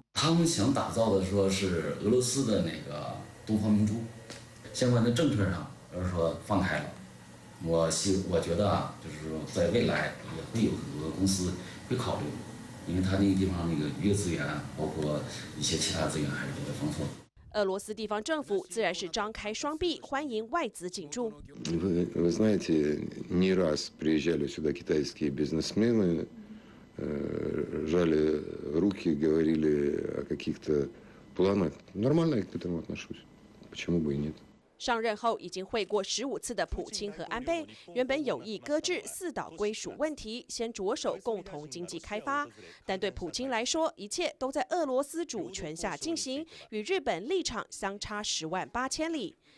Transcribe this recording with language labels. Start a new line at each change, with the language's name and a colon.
Chinese: 他们想打造的说是俄罗斯的那个东方明珠，相关的政策上而说放开了，我觉得啊，就是说在未来也会有很多公司会考虑，因为他那个地方那个渔业资源，包括一些其他资源还是比较丰富。俄罗斯地方政府自然是张开双臂欢迎外资进驻。
Russian: Вы знаете, не раз приезжали сюда китайские бизнесмены, жали руки, говорили о каких-то планах. Нормально я к этому отношусь. Почему бы и нет?
Chinese: 上任后已经会过15次的普京和安倍，原本有意搁置四岛归属问题，先着手共同经济开发。但对普京来说，一切都在俄罗斯主权下进行，与日本立场相差108000里。